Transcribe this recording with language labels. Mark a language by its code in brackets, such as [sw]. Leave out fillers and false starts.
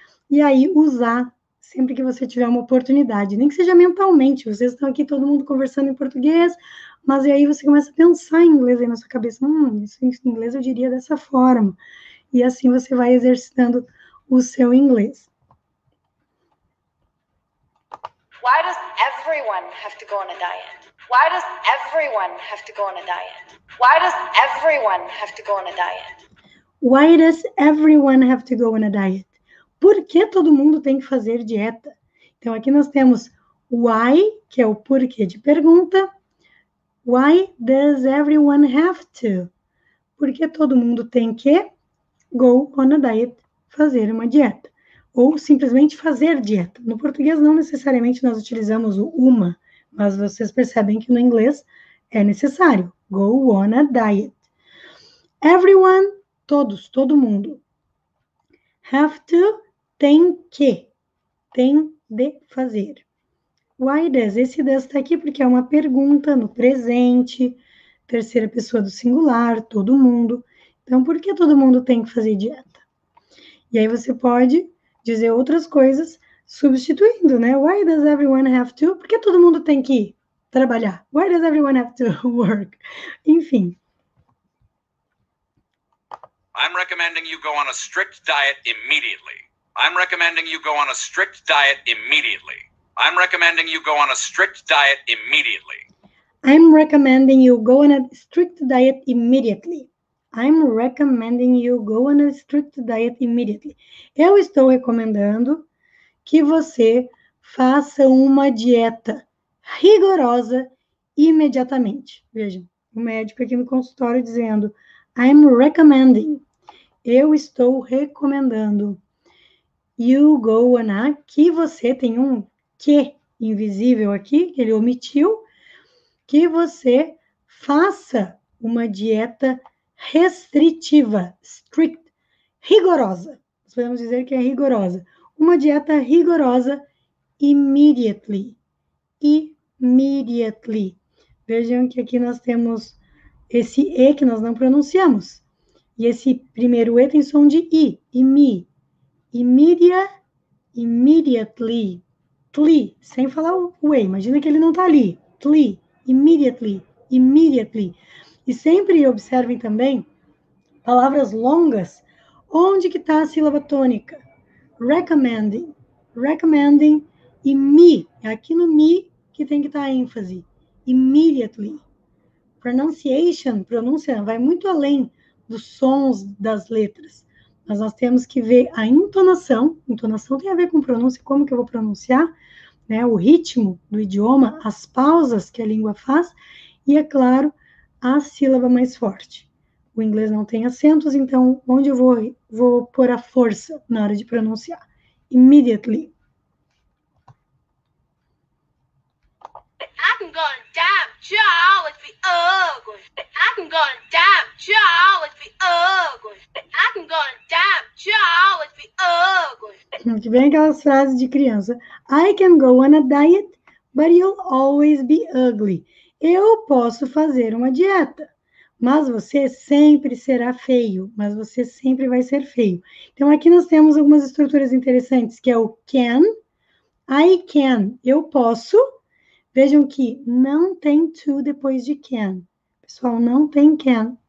[pt] E aí, usar sempre que você tiver uma oportunidade. Nem que seja mentalmente. Vocês estão aqui, todo mundo conversando em português. Mas aí você começa a pensar em inglês aí na sua cabeça. Isso em inglês eu diria dessa forma. E assim você vai exercitando o seu inglês. [en] Why does everyone have to go on a diet? Why does everyone have to go on a diet? Why does everyone have to go on a diet? Why does everyone have to go on a diet? [pt] Por que todo mundo tem que fazer dieta? Então aqui nós temos why, que é o porquê de pergunta. [en] Why does everyone have to? [pt] Por que todo mundo tem que? [en] Go on a diet, [pt] fazer uma dieta. Ou simplesmente fazer dieta. No português, não necessariamente nós utilizamos o uma, mas vocês percebem que no inglês é necessário. [en] Go on a diet. Everyone, [pt] todos, todo mundo. [en] Have to, [pt] tem que. Tem de fazer. [en] Why does? [pt] Esse does está aqui porque é uma pergunta no presente, terceira pessoa do singular, todo mundo. Então, por que todo mundo tem que fazer dieta? E aí você pode dizer outras coisas substituindo, né? [en] Why does everyone have to? [pt] Por que todo mundo tem que trabalhar? [en] Why does everyone have to work? [pt] Enfim. [en] I'm recommending you go on a strict diet immediately. I'm recommending you go on a strict diet immediately. I'm recommending you go on a strict diet immediately. I'm recommending you go on a strict diet immediately. I'm recommending you go on a strict diet immediately. [pt] Eu estou recomendando que você faça uma dieta rigorosa imediatamente. Veja, o médico aqui no consultório dizendo, [en] I'm recommending. [pt] Eu estou recomendando. [en] You go on a, [pt] que você tem um que invisível aqui, que ele omitiu, que você faça uma dieta restritiva, strict, rigorosa. Nós podemos dizer que é rigorosa. Uma dieta rigorosa, immediately. [en] Immediately. [pt] Vejam que aqui nós temos esse E que nós não pronunciamos. E esse primeiro E tem som de I, imi. Immediately. Tli, sem falar o E. Imagina que ele não está ali. Tli, immediately. Immediately. E sempre observem também palavras longas. Onde que está a sílaba tônica? Recommending. Recommending. E me. É aqui no me que tem que estar a ênfase. Immediately. Pronunciation. Pronúncia vai muito além dos sons das letras. Mas nós temos que ver a entonação. Entonação tem a ver com pronúncia. Como que eu vou pronunciar? Né? O ritmo do idioma. As pausas que a língua faz. E, é claro, a sílaba mais forte. O inglês não tem acentos, então onde eu vou pôr a força na hora de pronunciar? [en] Immediately. I'm going down, jaw, it's be ugly. I'm going down, jaw, it's be ugly. I'm going down, jaw, it's be ugly. [pt] Que bem aquelas frases de criança. [en] I can go on a diet, but you'll always be ugly. [pt] Eu posso fazer uma dieta, mas você sempre será feio. Mas você sempre vai ser feio. Então, aqui nós temos algumas estruturas interessantes, que é o can, I can, eu posso. Vejam que não tem to depois de can. Pessoal, não tem can.